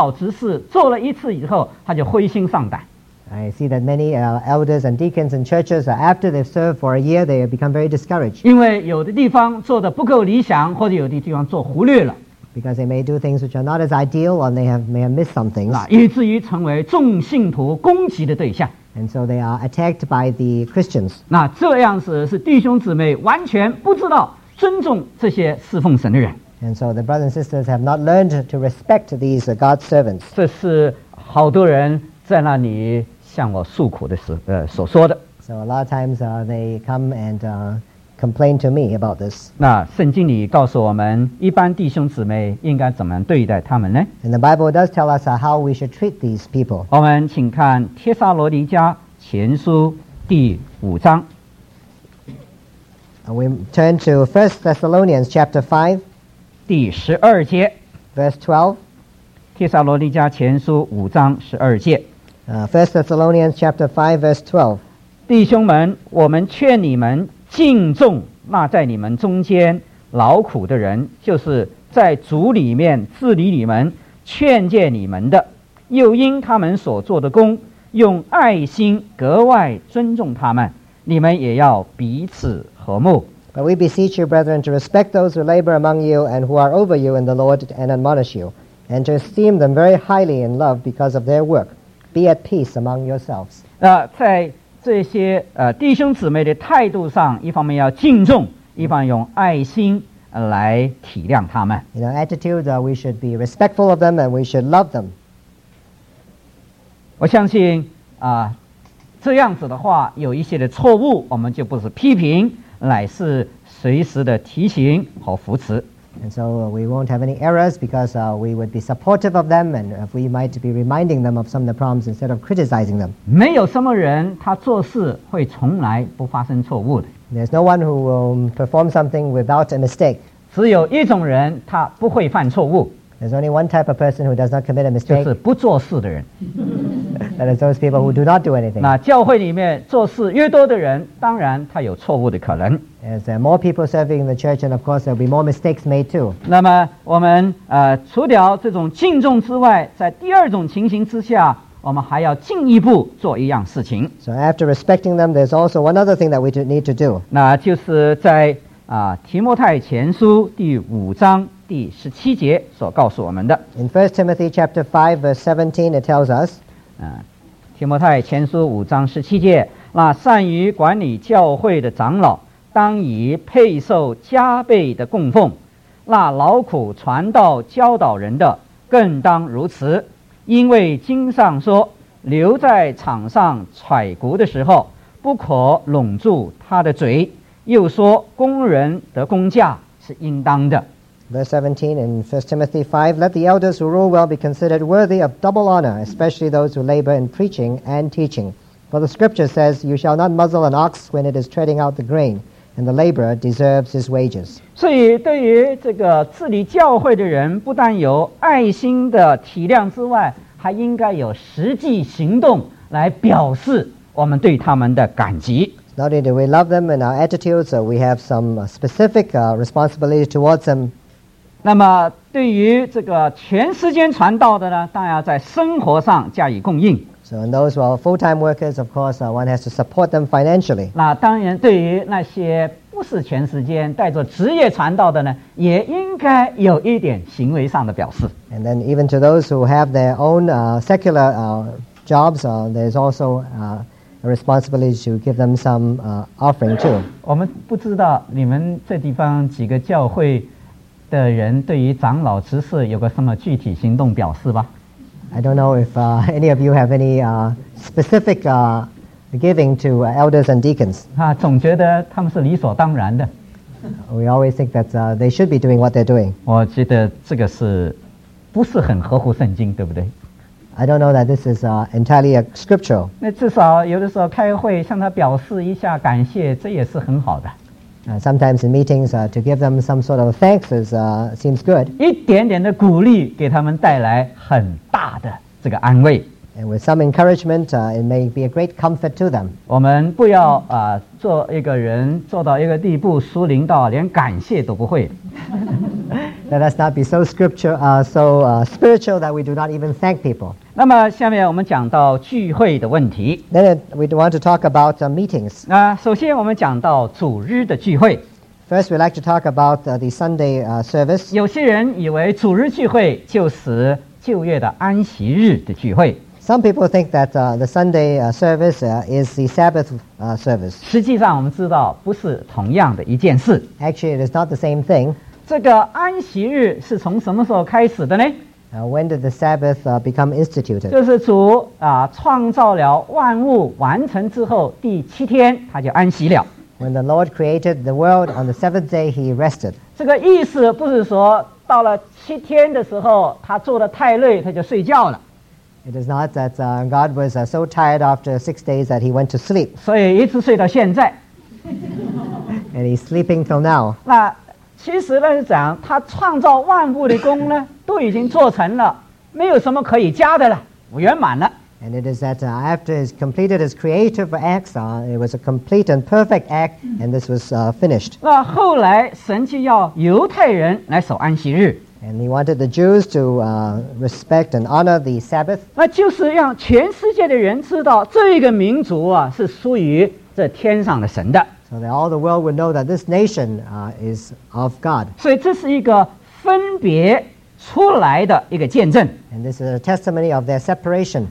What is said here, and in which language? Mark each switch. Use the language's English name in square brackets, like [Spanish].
[Chinese] 我常发现很多的教会长老执事做了一次以后他就灰心丧胆, [English] I see that many elders and deacons in churches, after they've served for a year, they have become very discouraged, [Chinese] 因为有的地方做得不够理想, 或者有的地方做忽略了, [English] because they may do things which are not as ideal, or they may have missed some things, [Chinese] 以至于成为众信徒攻击的对象, [English] and so they are attacked by the Christians. [Chinese] 那这样子是弟兄姊妹完全不知道尊重这些侍奉神的人, [English] and so the brothers and sisters have not learned to respect these God's servants. [Chinese] 这是好多人在那里向我诉苦的时所说的。 [English] So a lot of times they come and complain to me about this. [Chinese] 那圣经里告诉我们，一般弟兄姊妹应该怎么对待他们呢？ [English] And the Bible does tell us how we should treat these people. [Chinese] 我们请看《帖撒罗尼迦前书》第五章。 [English] We turn to 1 Thessalonians chapter 5, [Chinese] 第十二节 [English] verse 12. [Chinese] 帖撒罗尼迦前书五章十二节。 [English] First Thessalonians chapter 5, verse 12. [Chinese] 弟兄们，我们劝你们敬重那在你们中间劳苦的人，就是在主里面治理你们、劝诫你们的，又因他们所做的工，用爱心格外尊重他们。你们也要彼此和睦。 [English] But we beseech you, brethren, to respect those who labor among you and who are over you in the Lord and admonish you, and to esteem them very highly in love because of their work. Be at peace among yourselves. [Chinese] 在这些弟兄姊妹的态度上，一方面要敬重，一方用爱心来体谅他们。 [English] In our attitude, we should be respectful of them and we should love them. [Chinese] 我相信这样子的话，有一些的错误，我们就不是批评，乃是随时的提醒和扶持。 [English] And so we won't have any errors because we would be supportive of them, and if we might be reminding them of some of the problems instead of criticizing them. [Chinese] 没有什么人他做事会从来不发生错误的。 [English] There's no one who will perform something without a mistake. [Chinese] 只有一种人他不会犯错误。 [English] There's only one type of person who does not commit a mistake. [Chinese] 就是不做事的人。 [English] That is those people who do not do anything. [Chinese] 那教会里面做事越多的人，当然他有错误的可能。 [English] As there are more people serving in the church, and of course there will be more mistakes made too. [Chinese] 那么我们除掉这种敬重之外，在第二种情形之下，我们还要进一步做一样事情。 [English] So after respecting them, there's also one other thing that we need to do. [Chinese] 那就是在提摩太前书第五章第十七节所告诉我们的。 [English] In 1 Timothy chapter 5 verse 17 it tells us, [Chinese] 提摩太前书五章十七节，那善于管理教会的长老当以配受加倍的供奉，那劳苦传道教导人的更当如此，因为经上说，留在场上揣骨的时候不可拢住他的嘴，又说工人得工价是应当的。 [English] Verse 17 in 1 Timothy 5, Let the elders who rule well be considered worthy of double honor, especially those who labor in preaching and teaching. For the scripture says, You shall not muzzle an ox when it is treading out the grain, and the laborer deserves his wages. [Chinese] 所以对于这个治理教会的人，不但有爱心的体谅之外，还应该有实际行动来表示我们对他们的感激。 [English] Not only do we love them in our attitudes, we have some specific responsibility towards them. [Chinese] 那么对于这个全时间传道的呢，当然要在生活上加以供应。 [English] So in those who are full-time workers, of course, one has to support them financially. [Chinese] 那当然对于那些不是全时间带着职业传道的呢，也应该有一点行为上的表示。 [English] And then even to those who have their own secular jobs, there's also a responsibility to give them some offering too. [Chinese] 我们不知道你们这地方几个教会的人对于长老职事有个什么具体行动表示吧。 [English] I don't know if any of you have any specific giving to elders and deacons. [Chinese] 总觉得他们是理所当然的。 [English] We always think that they should be doing what they're doing. [Chinese] 我觉得这个是不是很合乎圣经，对不对？ [English] I don't know that this is entirely scriptural. [Chinese] 那至少有的时候开会向他表示一下感谢，这也是很好的。 [English] Sometimes in meetings, to give them some sort of thanks is, seems good. [Chinese] 一点点的鼓励给他们带来很大的这个安慰。 [English] And with some encouragement, it may be a great comfort to them. [Chinese] 我们不要做一个人做到一个地步，疏灵到连感谢都不会。 [English] Let us not be so scripture, spiritual that we do not even thank people. [Chinese] 那么下面我们讲到聚会的问题。 [English] Then we want to talk about meetings. [Chinese] 那首先我们讲到主日的聚会。 [English] First, we like to talk about the Sunday service. [Chinese] 有些人以为主日聚会就是旧约的安息日的聚会。 [English] Some people think that the Sunday service is the Sabbath service. [Chinese] 实际上我们知道不是同样的一件事。 [English] Actually, it is not the same thing. [Chinese] 这个安息日是从什么时候开始的呢？ [English] When did the Sabbath become instituted? [Chinese] 就是主啊创造了万物完成之后第七天他就安息了。 [English] When the Lord created the world on the seventh day, he rested. [Chinese] 这个意思不是说到了七天的时候他做得太累他就睡觉了。 [English] It is not that God was so tired after 6 days that he went to sleep. [Chinese] 所以一直睡到现在。 [English] And he's sleeping till now. [Chinese] 那其实呢是讲他创造万物的功呢都已经做成了没有什么可以加的了圆满了。 [English] And it is that after he's completed his creative acts, it was a complete and perfect act, and this was finished. [Chinese] 那后来神就要犹太人来守安息日。 [English] And he wanted the Jews to respect and honor the Sabbath. [Chinese] 那就是让全世界的人知道这个民族啊是属于这天上的神的。 [English] So that all the world would know that this nation is of God. [Chinese] 所以这是一个分别出来的一个见证。 [English] And this is a testimony of their separation.